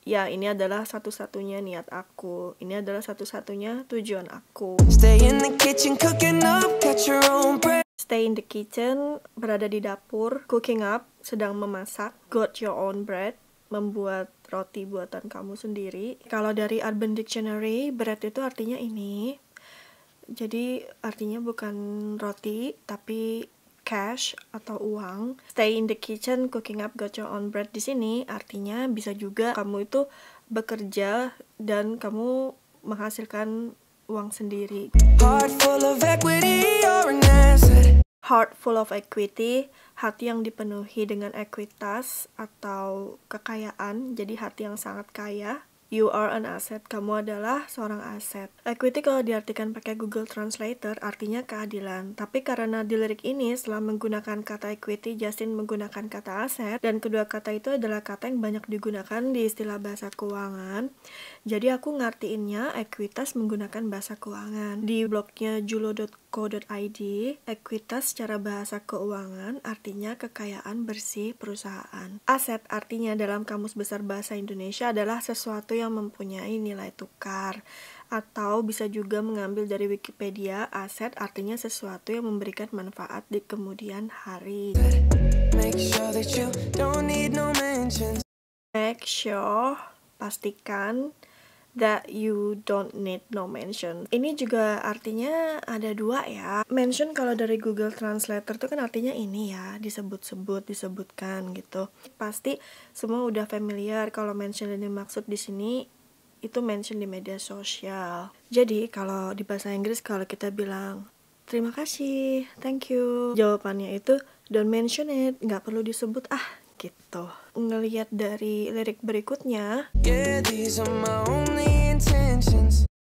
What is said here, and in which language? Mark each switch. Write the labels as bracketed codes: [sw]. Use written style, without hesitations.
[id] Ya, ini adalah satu-satunya niat aku. Ini adalah satu-satunya tujuan aku. [en] Stay in the kitchen, cooking up, catch your own breath. Stay in the kitchen, [id] berada di dapur, [en] cooking up, [id] sedang memasak, [en] got your own bread. [id] Membuat roti buatan kamu sendiri. Kalau dari Urban Dictionary, bread itu artinya ini. Jadi artinya bukan roti, tapi cash atau uang. [en] Stay in the kitchen, cooking up, got your own bread. [id] Di sini artinya bisa juga kamu itu bekerja dan kamu menghasilkan uang sendiri. [en] Heart full of equity, you're an asset. Heart full of equity, [id] hati yang dipenuhi dengan ekuitas atau kekayaan. Jadi hati yang sangat kaya. [en] You are an asset, [id] kamu adalah seorang aset. Equity kalau diartikan pakai Google Translator artinya keadilan. Tapi karena di lirik ini setelah menggunakan kata equity, Justin menggunakan kata aset. Dan kedua kata itu adalah kata yang banyak digunakan di istilah bahasa keuangan. Jadi aku ngartiinnya ekuitas menggunakan bahasa keuangan. Di blognya julo.co.id, ekuitas secara bahasa keuangan artinya kekayaan bersih perusahaan. Aset artinya dalam Kamus Besar Bahasa Indonesia adalah sesuatu yang mempunyai nilai tukar. Atau bisa juga mengambil dari Wikipedia, aset artinya sesuatu yang memberikan manfaat di kemudian hari. [en] Make sure that you don't need no mentions. Make sure, [id] pastikan [en] that you don't need no mention. [id] Ini juga artinya ada dua ya. Mention kalau dari Google Translator tuh kan artinya ini ya, disebut-sebut, disebutkan gitu. Pasti semua udah familiar kalau mention ini maksud di sini itu mention di media sosial. Jadi kalau di bahasa Inggris kalau kita bilang terima kasih, [en] thank you, [id] jawabannya itu [en] don't mention it, [id] nggak perlu disebut ah. Gitu. Ngelihat dari lirik berikutnya. [en] Yeah, these are my only intentions.